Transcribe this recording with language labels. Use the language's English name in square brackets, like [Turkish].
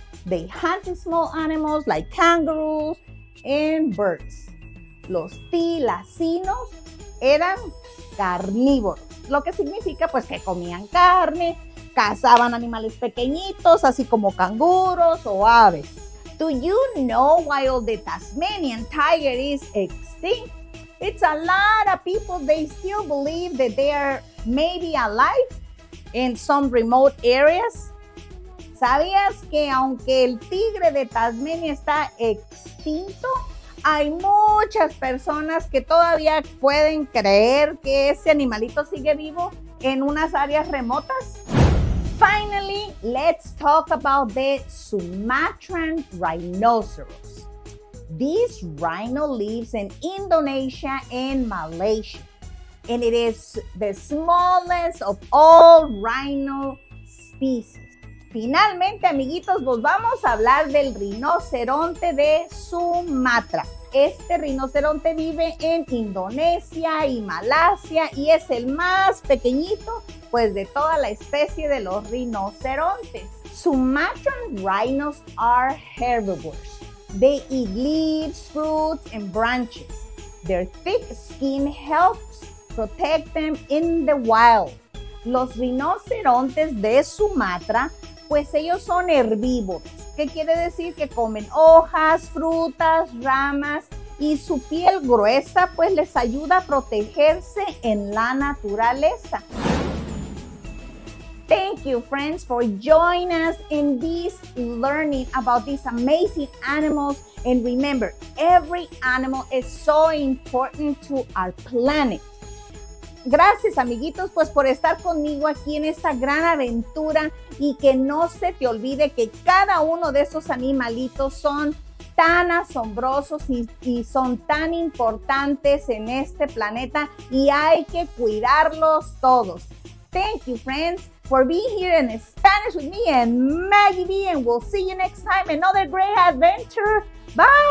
[English] They hunt small animals like kangaroos and birds. [Spanish] Los tilacinos eran carnívoros, lo que significa pues que comían carne, cazaban animales pequeñitos, así como canguros o aves. [English] Do you know why all the Tasmanian tiger is extinct? It's a lot of people, they still believe that they are maybe alive in some remote areas. [Spanish] ¿Sabías que aunque el tigre de Tasmania está extinto, hay muchas personas que todavía pueden creer que ese animalito sigue vivo en unas áreas remotas? [English] Finally, let's talk about the Sumatran rhinoceros. This rhino lives in Indonesia and Malaysia, and it is the smallest of all rhino species. [Spanish] Finalmente, amiguitos, nos vamos a hablar del rinoceronte de Sumatra. Este rinoceronte vive en Indonesia y Malasia y es el más pequeñito, pues, de toda la especie de los rinocerontes. [English] Sumatran rhinos are herbivores. They eat leaves, fruits, and branches. Their thick skin helps protect them in the wild. [Spanish] Los rinocerontes de Sumatra, pues ellos son herbívoros. ¿Qué quiere decir? Que comen hojas, frutas, ramas y su piel gruesa pues les ayuda a protegerse en la naturaleza. [English] Thank you, friends, for joining us in this learning about these amazing animals. And remember, every animal is so important to our planet. [Spanish] Gracias, amiguitos, pues por estar conmigo aquí en esta gran aventura y que no se te olvide que cada uno de esos animalitos son tan asombrosos y son tan importantes en este planeta y hay que cuidarlos todos. [English] Thank you, friends, for being here in Spanish with me and Maggie B, and we'll see you next time, another great adventure. Bye!